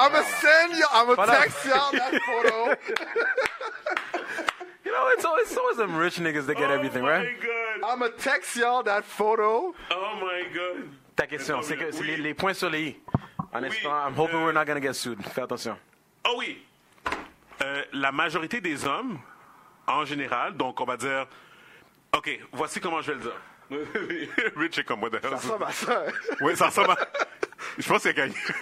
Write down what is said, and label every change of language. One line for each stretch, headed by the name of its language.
English: I'm gonna send you, I'm gonna text you that photo. You know, it's always them rich niggas that get oh everything, my right? God. I'm gonna text y'all that photo. Oh my god.
French: Ta question, c'est que c'est les points sur les i. Honnêtement, oui,
English: I'm hoping we're not going to get sued.
French: Fais attention. Oh oui. La majorité des hommes, en général, donc on va dire... OK, voici comment je vais le dire. Rich est comme moi d'ailleurs. Ça ressemble à ça. Oui, ça ressemble à... Je pense qu'il a gagné.